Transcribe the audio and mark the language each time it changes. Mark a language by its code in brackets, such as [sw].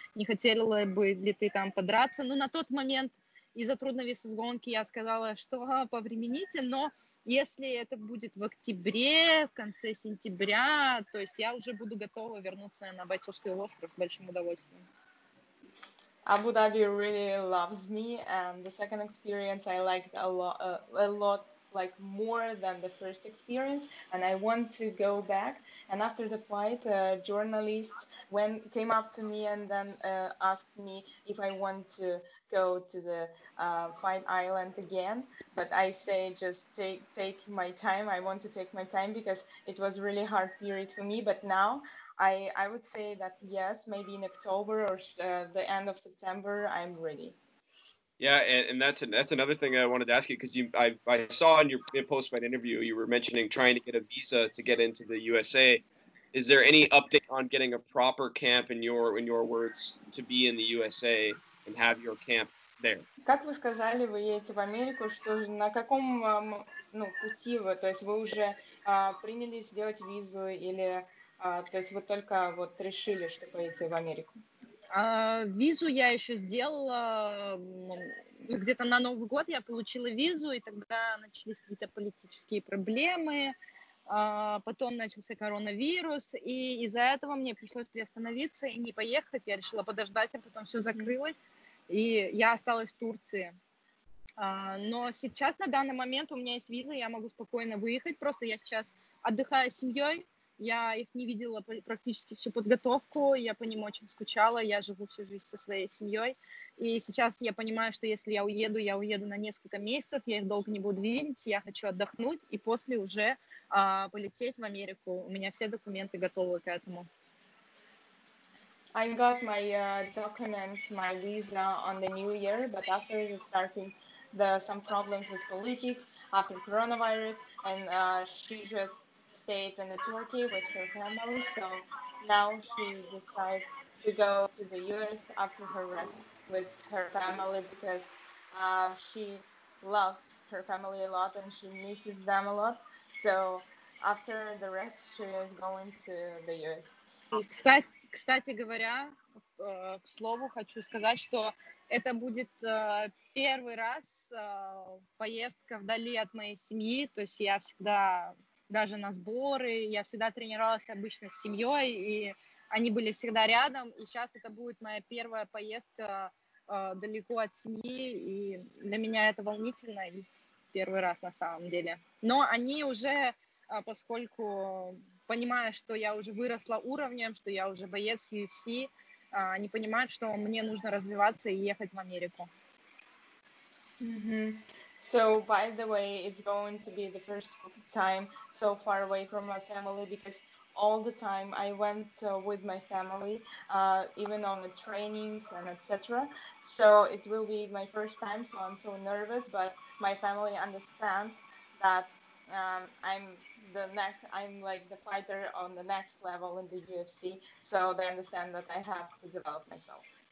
[ru] Не хотела бы ли ты там подраться? Но на тот момент из-за трудновеса сгонки я сказала, что повремените, но если это будет в октябре, в конце сентября, то есть я уже буду готова вернуться на Бойцовский остров с большим удовольствием. [en] Abu Dhabi really loves me, and the second experience I liked a lot, like more than the first experience, and I want to go back. And after the fight, a journalist came up to me and then asked me if I want to go to the Fight Island again. But I say, just take my time. I want to take my time because it was really hard period for me. But now I would say that yes, maybe in October or the end of September, I'm ready. Yeah, and that's another thing I wanted to ask you, because I saw in your post-fight interview, you were mentioning trying to get a visa to get into the USA. Is there any update on getting a proper camp, in your words, to be in the USA and have your camp there? [ru] Как вы сказали, вы едете в Америку, что на каком пути вы, то есть вы уже приняли сделать визу или... то есть вы только вот решили, что поедете в Америку? Визу я еще сделала, где-то на Новый год я получила визу, и тогда начались какие-то политические проблемы, потом начался коронавирус, и из-за этого мне пришлось приостановиться и не поехать, я решила подождать, а потом все закрылось, и я осталась в Турции. Но сейчас, на данный момент, у меня есть виза, я могу спокойно выехать, просто я сейчас отдыхаю с семьей. Я их не видела практически всю подготовку, я по ним очень скучала, я живу всю жизнь со своей семьей, и сейчас я понимаю, что если я уеду на несколько месяцев, я их долго не буду видеть, я хочу отдохнуть и после уже полететь в Америку. У меня все документы готовы к этому. [en] I got my documents, my visa on the new year, but after starting some problems with politics, after coronavirus, and she just stayed in Turkey with her family, so now she decided to go to the US after her rest with her family because she loves her family a lot and she misses them a lot. So after the rest, she is going to the US. [ru] Кстати говоря, к слову, хочу сказать, что это будет первый раз поездка вдали от моей семьи. То есть я всегда даже на сборы, я всегда тренировалась обычно с семьей, и они были всегда рядом, и сейчас это будет моя первая поездка далеко от семьи, и для меня это волнительно, и первый раз на самом деле. Но они уже, поскольку понимают, что я уже выросла уровнем, что я уже боец UFC, они понимают, что мне нужно развиваться и ехать в Америку. Mm-hmm. [en] So, by the way, it's going to be the first time so far away from my family because all the time. I went with my family, even on the trainings and etc. So it will be my first time, so I'm so nervous, but my family understands that I'm like the fighter on the next level in the UFC, so they understand that I have to develop myself.